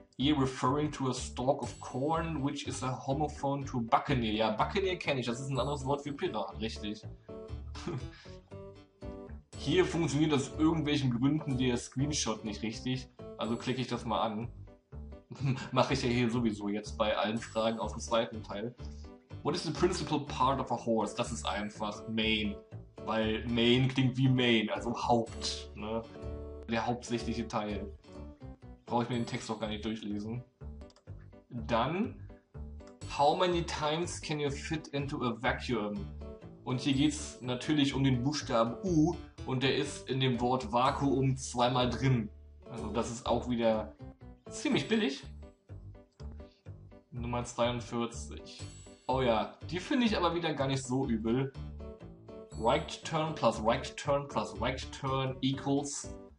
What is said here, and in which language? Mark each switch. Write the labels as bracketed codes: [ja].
[en] Ear referring to a stalk of corn, which is a homophone to buccaneer. [de] Ja, buccaneer kenne ich, das ist ein anderes Wort für Pirat, richtig. Hier funktioniert aus irgendwelchen Gründen der Screenshot nicht richtig, also klicke ich das mal an. Mache ich ja hier sowieso jetzt bei allen Fragen aus dem zweiten Teil. [en] What is the principal part of a horse? [de] Das ist einfach main, weil main klingt wie main, also Haupt, ne? Der hauptsächliche Teil. Brauche ich mir den Text auch gar nicht durchlesen. [en] Dann, how many times can you fit into a vacuum? [de] Und hier geht es natürlich um den Buchstaben U und der ist in dem Wort Vakuum zweimal drin. Also das ist auch wieder ziemlich billig. Nummer 42. Oh ja, die finde ich aber wieder gar nicht so übel. [en] Right turn plus right turn plus right turn equals.